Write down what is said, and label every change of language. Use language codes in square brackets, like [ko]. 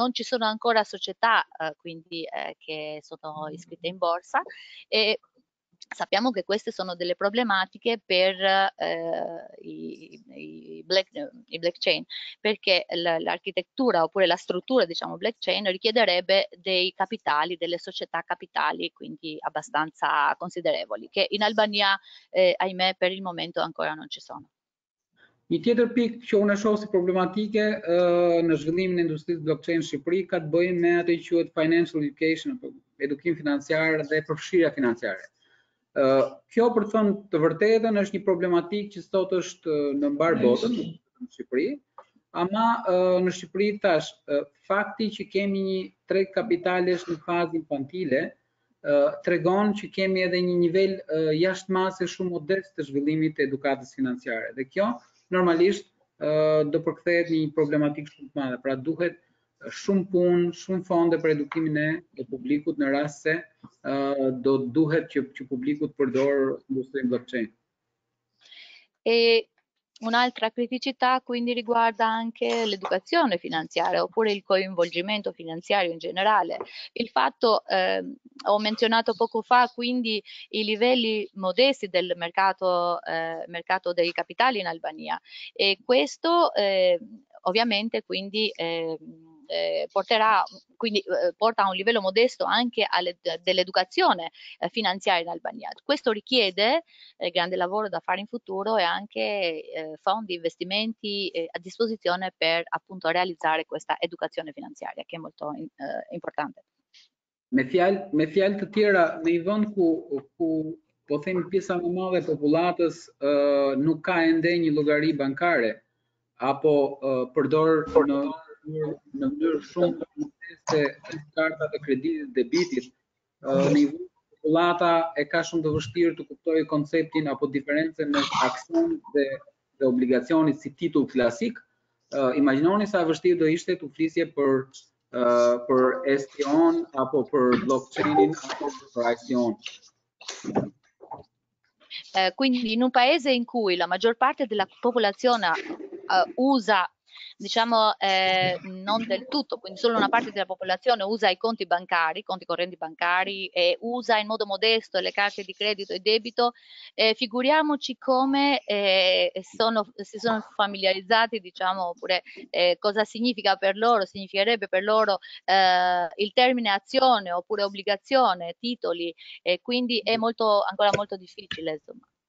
[it] Non ci sono ancora società, quindi, che sono iscritte in borsa e sappiamo che queste sono delle problematiche per i blockchain, perché l'architettura oppure la struttura, diciamo, blockchain richiederebbe dei capitali, delle società capitali, quindi abbastanza considerevoli, che in Albania, ahimè, per il momento ancora non ci sono. [sq] Një tjetër pikë që unë e shoh si problematike në zhvillimin e industrisë blockchain në Shqipëri ka të bëjë me atë që quhet financial education, edukim financiar dhe përfshirja financiare. Kjo për të thënë të vërtetën është një problematikë që sot është në mbar botën, në Shqipëri, ama në Shqipëri tash fakti që kemi një treg kapitalesh në fazë infantile tregon që kemi edhe një nivel jashtëmase shumë modest të zhvillimit të edukatës financiare dhe kjo normalisht do përkthehet në një problematikë shumë të madhe, pra duhet shumë punë, shumë fonde për edukimin e publikut në rast se do duhet që publiku të përdorë industrinë blockchain. [it] E un'altra criticità quindi riguarda anche l'educazione finanziaria oppure il coinvolgimento finanziario in generale. Il fatto, ho menzionato poco fa, quindi i livelli modesti del mercato dei capitali in Albania e questo, ovviamente quindi, porta a un livello modesto anche dell'educazione finanziaria in Albania. Questo richiede grande lavoro da fare in futuro e anche fondi, investimenti a disposizione per appunto realizzare questa educazione finanziaria che è molto importante. [sq] Me fjalë të tjera, në një vend ku po themi pjesa më e madhe e popullatës nuk ka ende një llogari bankare apo përdor në mënyrë shumë të karta të kreditit dhe debitit, në një vend popullata e ka shumë të vështirë të kuptojë konceptin apo diferencën mes aksionit dhe obligacionit si titull klasik. Imaginoni sa vështirë do ishte të flisje për STO-n apo për blockchain-in apo për ICO-n. [it] Quindi in un paese in cui la maggior parte della popolazione usa diciamo, non del tutto, quindi solo una parte della popolazione usa i conti bancari, i conti correnti bancari, e usa in modo modesto le carte di credito e debito, figuriamoci come si sono familiarizzati, diciamo, oppure cosa significa per loro, significherebbe per loro il termine azione oppure obbligazione, titoli, e quindi è molto, ancora molto difficile, insomma.